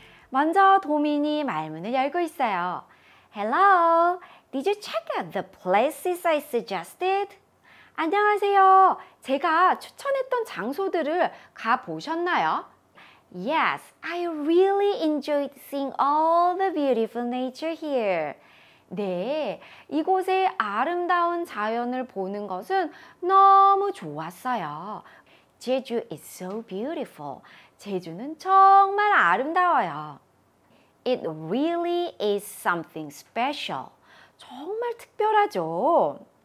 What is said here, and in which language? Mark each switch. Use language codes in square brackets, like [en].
[ko] 먼저 도민이 말문을 열고 있어요. [en] Hello, did you check out the places I suggested? [ko] 안녕하세요. 제가 추천했던 장소들을 가보셨나요? [en] Yes, I really enjoyed seeing all the beautiful nature here. [ko] 네, 이곳의 아름다운 자연을 보는 것은 너무 좋았어요. [en] 제주 is so beautiful. [ko] 제주는 정말 아름다워요. [en] It really is something special. [ko] 정말 특별하죠?